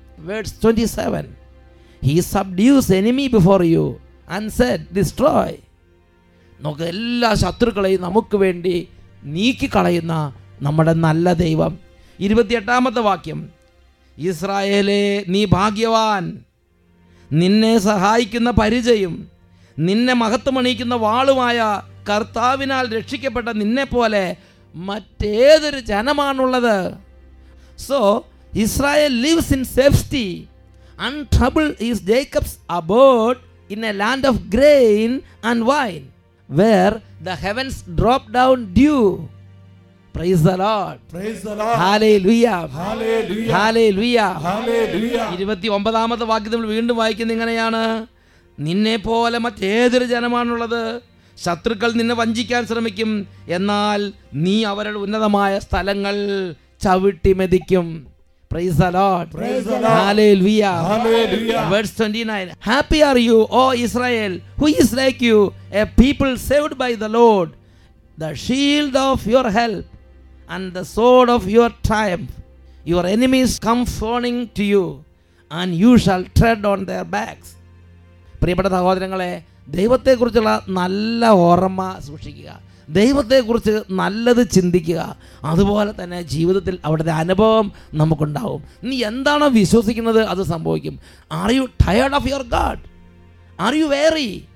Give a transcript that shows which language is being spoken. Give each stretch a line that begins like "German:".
English: Verse 27, he subdues enemy before you and said destroy.
Malayalam: Nokka ella shatrukale namukku vendi നീക്കിക്കളയുന്ന നമ്മുടെ നല്ല ദൈവം. 28th വാക്യം, ഇസ്രായേലേ നീ ഭാഗ്യവാൻ, നിന്നെ സഹായിക്കുന്ന പരിചയും നിന്നെ മഹത്വമണിയിക്കുന്ന വാളുമായ കർത്താവിനാൽ രക്ഷിക്കപ്പെട്ട നിന്നെ പോലെ മറ്റേതൊരു ജനമാണുള്ളത്.
English: So Israel lives in safety. Untroubled is Jacob's abode in a land of grain and wine, where the heavens drop down dew. Praise the Lord. Praise the Lord. Hallelujah. Hallelujah. Hallelujah. Hallelujah.
Malayalam: 29th വാക്യം നമ്മൾ വീണ്ടും വായിക്കുന്നത് ഇങ്ങനെയാണ്, നിന്നെ പോലെ മറ്റേതൊരു ജനമാണുള്ളത്, ശത്രുക്കൾ നിന്നെ വഞ്ചിക്കാൻ ശ്രമിക്കും, എന്നാൽ നീ അവരുടെ ഉന്നതമായ സ്ഥലങ്ങൾ ചവിട്ടി മെതിക്കും.
English: Praise the Lord. Praise the Lord. Hallelujah. Hallelujah. Verse 29. Happy are you, O Israel, who is like you, a people saved by the Lord. The shield of your help and the sword of your triumph. Your enemies come fawning to you and you shall tread on their backs.
Malayalam: പ്രിയപ്പെട്ട സഹോദരങ്ങളെ, ദൈവത്തെക്കുറിച്ചുള്ള നല്ല ഓർമ്മ സൂക്ഷിക്കുക, ദൈവത്തെക്കുറിച്ച് നല്ലത് ചിന്തിക്കുക. അതുപോലെ തന്നെ ജീവിതത്തിൽ അവിടുത്തെ അനുഭവം നമുക്കുണ്ടാവും. നീ എന്താണോ വിശ്വസിക്കുന്നത് അത് സംഭവിക്കും.
English: Are you tired of your God? Are you weary?